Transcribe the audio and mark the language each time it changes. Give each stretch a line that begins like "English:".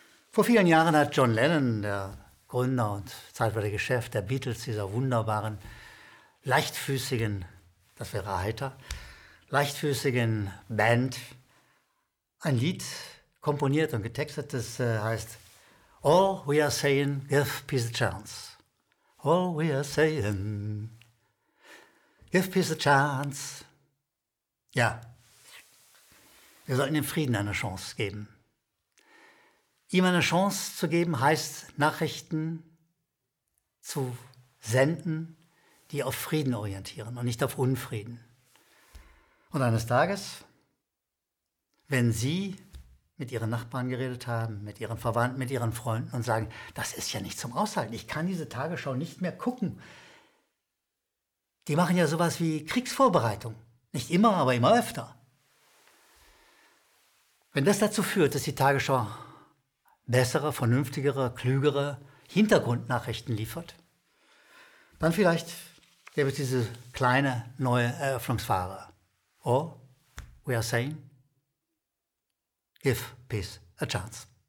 German: Vor vielen Jahren hat John Lennon, der Gründer und zeitweilige Chef der Beatles, dieser wunderbaren, leichtfüßigen, das wäre heiter, leichtfüßigen Band, ein Lied komponiert und getextet, das heißt
English: All we are saying, give peace a chance. All we are saying, give peace a chance.
German: Ja, wir sollten dem Frieden eine Chance geben. Ihm eine Chance zu geben, heißt Nachrichten zu senden, die auf Frieden orientieren und nicht auf Unfrieden. Und eines Tages, wenn Sie mit ihren Nachbarn geredet haben, mit ihren Verwandten, mit ihren Freunden und sagen, das ist ja nicht zum Aushalten, ich kann diese Tagesschau nicht mehr gucken. Die machen ja sowas wie Kriegsvorbereitung. Nicht immer, aber immer öfter. Wenn das dazu führt, dass die Tagesschau bessere, vernünftigere, klügere Hintergrundnachrichten liefert, dann vielleicht gäbe es diese kleine neue Eröffnungsphase.
English: Oh, we are saying, give peace a chance.